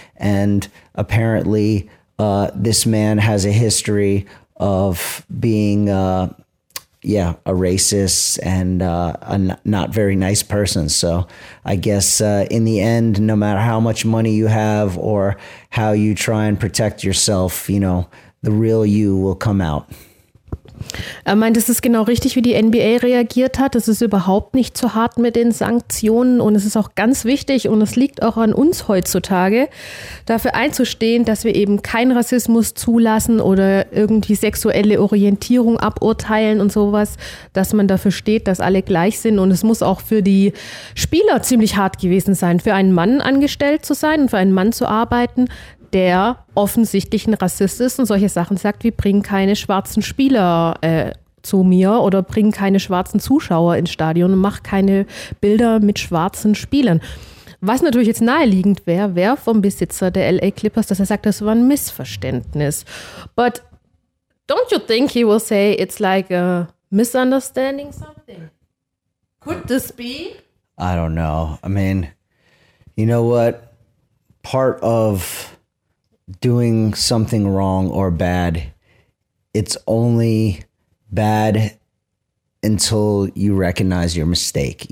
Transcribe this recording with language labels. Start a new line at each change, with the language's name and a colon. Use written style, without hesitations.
English: And apparently this man has a history of being a racist and a not very nice person. So I guess in the end, no matter how much money you have or how you try and protect yourself, you know, the real you will come out.
German: Ich meine, das ist genau richtig, wie die NBA reagiert hat. Das ist überhaupt nicht so hart mit den Sanktionen, und es ist auch ganz wichtig, und es liegt auch an uns heutzutage, dafür einzustehen, dass wir eben keinen Rassismus zulassen oder irgendwie sexuelle Orientierung aburteilen und sowas, dass man dafür steht, dass alle gleich sind. Und es muss auch für die Spieler ziemlich hart gewesen sein, für einen Mann angestellt zu sein und für einen Mann zu arbeiten, der offensichtlich ein Rassist ist und solche Sachen sagt, wie bringen keine schwarzen Spieler zu mir oder bringen keine schwarzen Zuschauer ins Stadion und mach keine Bilder mit schwarzen Spielern. Was natürlich jetzt naheliegend wäre, wäre vom Besitzer der LA Clippers, dass er sagt, das war ein Missverständnis.
English: But don't you think he will say it's like a misunderstanding something? Could this be? I don't know. I mean, you know what? Part of doing something wrong or bad, it's only bad until you recognize your mistake.